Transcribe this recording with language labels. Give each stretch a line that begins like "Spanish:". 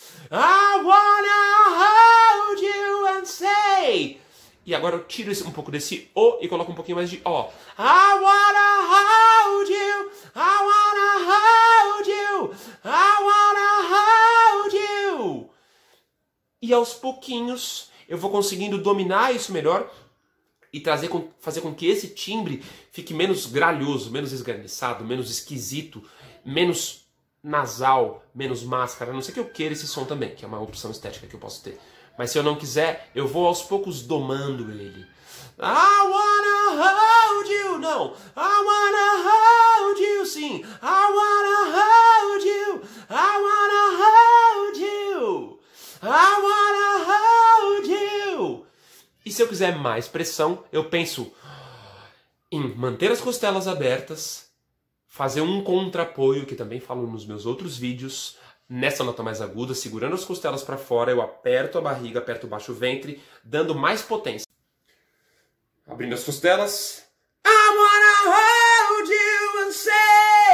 English: I wanna hold you and say.
Portuguese: E agora eu tiro um pouco desse O e coloco um pouquinho mais de O.
English: I wanna hold you, I wanna hold you, I wanna hold you.
Portuguese: E aos pouquinhos eu vou conseguindo dominar isso melhor e trazer com, fazer com que esse timbre fique menos gralhoso, menos esganiçado, menos esquisito, menos nasal, menos máscara. A não ser que eu queira esse som também, que é uma opção estética que eu posso ter. Mas se eu não quiser, eu vou aos poucos domando ele.
English: I wanna hold you,
Portuguese: não.
English: I wanna hold you,
Portuguese: sim.
English: I wanna hold you. I wanna hold you. I wanna hold you.
Portuguese: E se eu quiser mais pressão, eu penso em manter as costelas abertas, fazer um contrapoio, que também falo nos meus outros vídeos, nessa nota mais aguda, segurando as costelas para fora, eu aperto a barriga, aperto o baixo ventre, dando mais potência. Abrindo as costelas.
English: I wanna hold you and say.